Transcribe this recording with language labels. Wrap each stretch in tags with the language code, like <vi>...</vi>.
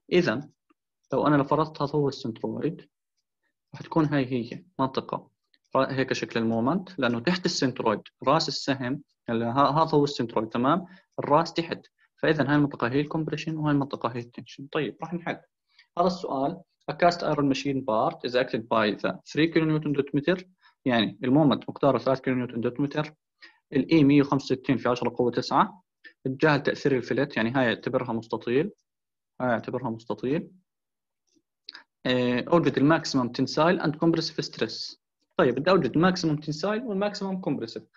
<ar>اذا لو انا لو فرضت هذا هو السنترويد، راح تكون هاي هي منطقه هيك شكل المومنت، لانه تحت السنترويد راس السهم، يعني هذا هو السنترويد تمام، الراس تحت، فاذا هاي المنطقه هي الكومبريشن وهاي المنطقه هي التنشن. طيب راح نحل هذا السؤال.</ar> <en>A cast iron machine part is acted by the 3 kN Nm.</en> <ar>يعني المومنت مقداره 3 كيلو نيوتن دوت متر، الاي 165 في 10 قوه 9، اتجاه تاثير الفلت، يعني هاي اعتبرها مستطيل، هاي اعتبرها مستطيل. اوجد الماكسيمم تنسايل اند كومبرسيف ستريس. طيب بدي اوجد الماكسيمم تنسايل والماكسيمم كومبرسيف.</ar>